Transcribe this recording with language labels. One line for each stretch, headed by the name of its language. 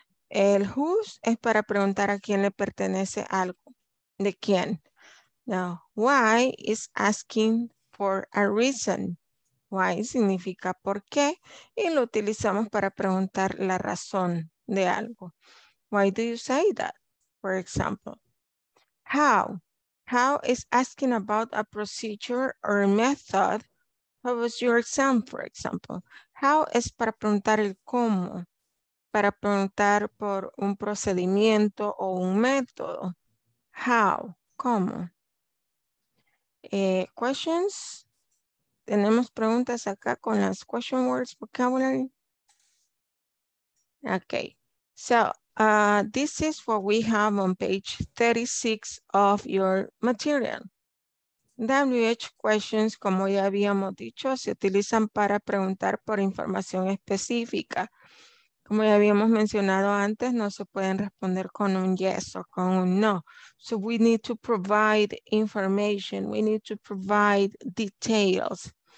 Spanish: El whose es para preguntar a quién le pertenece algo, de quién.
English: Now, why is asking for a reason.
Spanish: Why significa por qué y lo utilizamos para preguntar la razón de algo.
English: Why do you say that? For example, how. How is asking about a procedure or a method. What was your exam, for example? How
Spanish: es para preguntar el cómo. Para preguntar por un procedimiento o un método. How, cómo. Questions. Tenemos preguntas acá con las question words vocabulary. Okay.
English: So, this is what we have on page 36 of your material.
Spanish: WH questions, como ya habíamos dicho, se utilizan para preguntar por información específica. Como ya habíamos mencionado antes, no se pueden responder con un yes o con un no.
English: So we need to provide information. We need to provide details.